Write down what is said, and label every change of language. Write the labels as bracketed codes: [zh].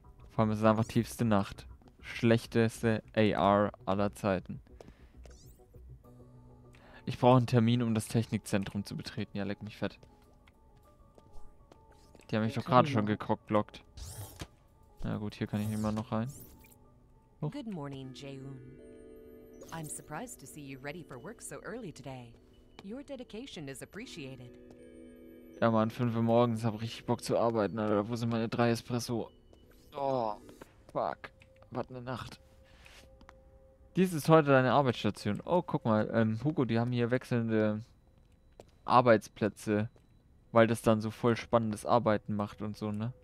[de] Vor allem ist es einfach tiefste Nacht. Schlechteste AR aller Zeiten. Ich brauche einen Termin, um das Technikzentrum zu betreten. Ja, leck mich fett. Die haben mich doch gerade schon gekrockblockt. Na gut, hier kann ich immer noch rein. [en] Oh. Good morning, Jaeun. I'm surprised to see you ready for work so early today. Your dedication is appreciated. [de] Ja, Mann, 5 Uhr morgens, hab richtig Bock zu arbeiten, Alter. Wo sind meine 3 Espresso? Oh, fuck. Was eine Nacht. Dies ist heute deine Arbeitsstation. Oh, guck mal, Hugo, die haben hier wechselnde Arbeitsplätze, weil das dann so voll spannendes Arbeiten macht und so, ne?